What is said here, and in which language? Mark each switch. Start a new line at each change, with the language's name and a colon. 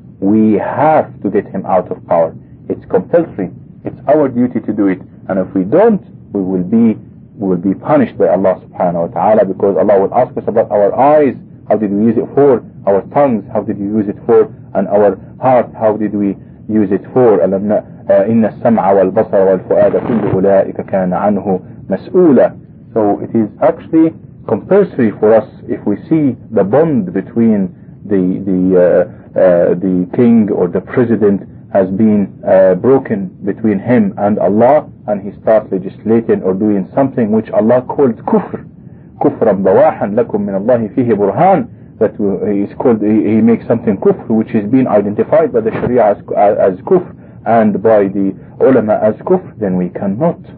English: We have to get him out of power. It's compulsory. It's our duty to do it. And if we don't, we will be punished by Allah subhanahu wa ta'ala, because Allah will ask us about our eyes. How did we use it for? Our tongues, how did we use it for? And our heart, how did we use it for?
Arabic: إن السمع والبصر والفؤاد كل أولئك كان عنه مسؤولا.
English: So it is actually compulsory for us if we see the bond between the king or the president has been broken between him and Allah, and he starts legislating or doing something which Allah called kufr,
Arabic: kufran bawahan lakum min Allahi fihi burhan,
English: that is called, he makes something kufr which is being identified by the sharia as kufr and by the ulama as kufr, then we cannot.